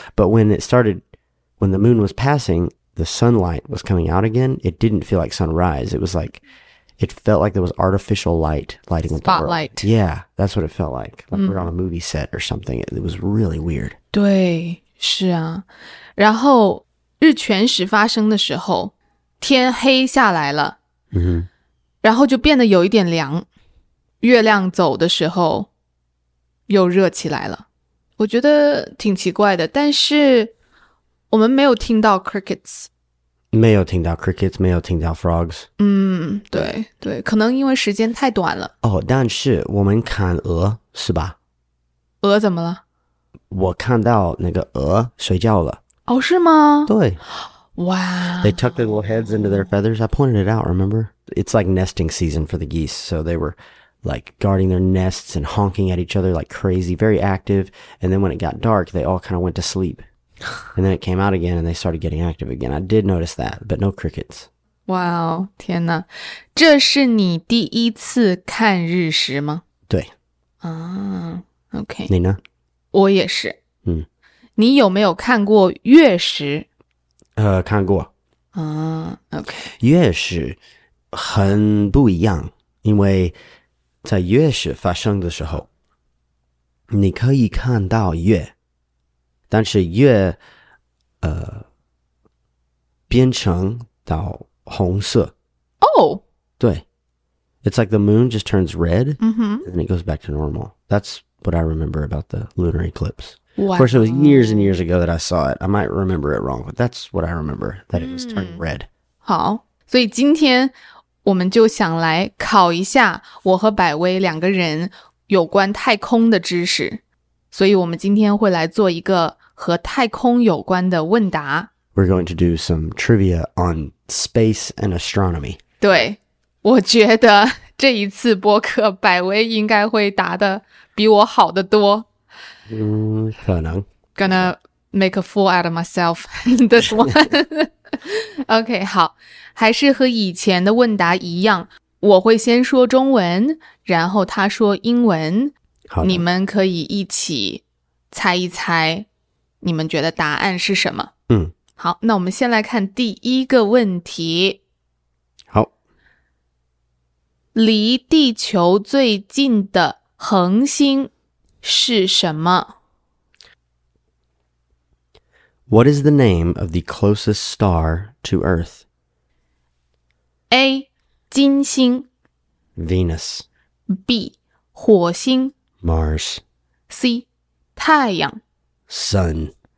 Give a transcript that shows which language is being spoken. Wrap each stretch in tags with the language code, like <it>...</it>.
<en>But when it started, when the moon was passing, the sunlight was coming out again, it didn't feel like sunrise. It was like, it felt like there was artificial light lighting up the world. Spotlight. Yeah, that's what it felt like. Like、we're on a movie set or something. It was really weird.</en> <zh>对,是啊。然后日全食发生的时候,天黑下来了。 Mm-hmm. 然后就变得有一点凉。月亮走的时候,又热起来了。我觉得挺奇怪的，但是我们没有听到 crickets，没有听到 crickets， 没有听到 frogs。嗯，对对，可能因为时间太短了。哦，但是我们看鹅是吧？鹅怎么了？我看到那个鹅睡觉了。哦，是吗？对。哇。</zh> <en>They tucked their little heads into their feathers. I pointed it out. Remember? It's like nesting season for the geese, so they were. Like guarding their nests and honking at each other like crazy, very active. And then when it got dark, they all kind of went to sleep. And then it came out again and they started getting active again. I did notice that, but no crickets.</en> <zh>Wow, 天哪。这是你第一次看日食吗？对。啊、OK。你呢？我也是。嗯。你有没有看过月食？看过。啊、OK。月食很不一样，因为在月食发生的时候你可以看到月但是月变成到红色。哦、oh.</zh> <en>对。It's like the moon just turns red、 mm-hmm. and it goes back to normal. That's what I remember about the lunar eclipse. Wow. Of course, it was years and years ago that I saw it. I might remember it wrong, but that's what I remember, that it was turning red.</en> <zh>好所以今天我们就想来考一下我和百威两个人有关太空的知识。所以我们今天会来做一个和太空有关的问答。</zh> <en>We're going to do some trivia on space and astronomy.</en> <zh>对,我觉得这一次播客百威应该会答得比我好得多。嗯,可能。</zh> <en>Gonna make a fool out of myself this one.</en> <zh>OK, 好。还是和以前的问答一样我会先说中文然后他说英文好你们可以一起猜一猜你们觉得答案是什么嗯，好那我们先来看第一个问题好离地球最近的恒星是什么</zh> <en>What is the name of the closest star to Earth?</en> <zh>A, 金星</zh> <en>Venus.</en> <zh>B, 火星</zh> <en>Mars.</en> <zh>C, 太阳</zh> <en>Sun.</en>